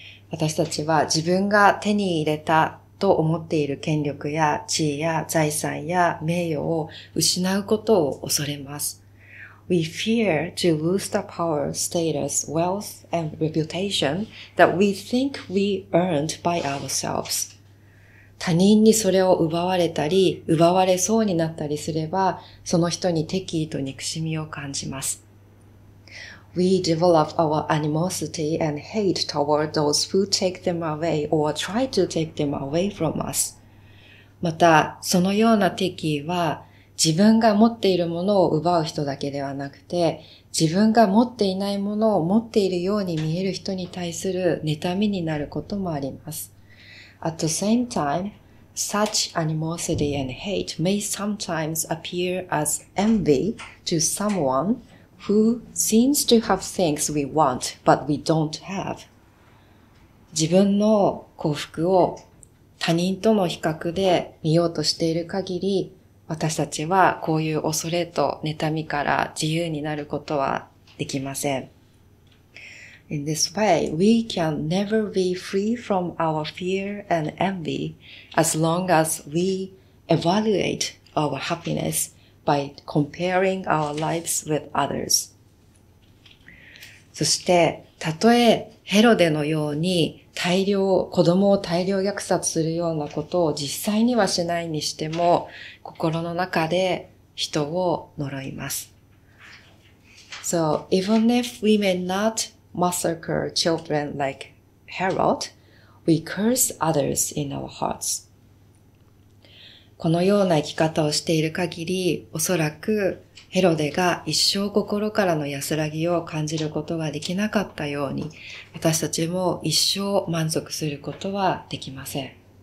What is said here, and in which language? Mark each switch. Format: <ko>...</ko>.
<ja>私たちは自分が手に入れたと思っている権力や地位や財産や名誉を失うことを恐れます。</ja> <en>We fear to lose the power, status, wealth, and reputation that we think we earned by ourselves.</en> <ja>他人にそれを奪われたり、奪われそうになったりすれば、その人に敵意と憎しみを感じます。</ja> <en>We develop our animosity and hate toward those who take them away or try to take them away from us.</en> <ja>また、そのような敵意は、自分が持っているものを奪う人だけではなくて、自分が持っていないものを持っているように見える人に対する妬みになることもあります。</ja> <en>At the same time, such animosity and hate may sometimes appear as envy to someone who seems to have things we want but we don't have.</en> <ja>自分の幸福を他人との比較で見ようとしている限り、私たちはこういう恐れと妬みから自由になることはできません。</ja> <en>In this way, we can never be free from our fear and envy as long as we evaluate our happiness by comparing our lives with others.</en> <ja>そして、たとえヘロデのように子供を大量虐殺するようなことを実際にはしないにしても、心の中で人を呪います。</ja> <en>So, even if we may not massacre children like Herod, we curse others in our hearts.</en> <ja>このような生き方をしている限り、おそらくヘロデが一生心からの安らぎを感じることができなかったように、私たちも一生満足することはできません。</ja>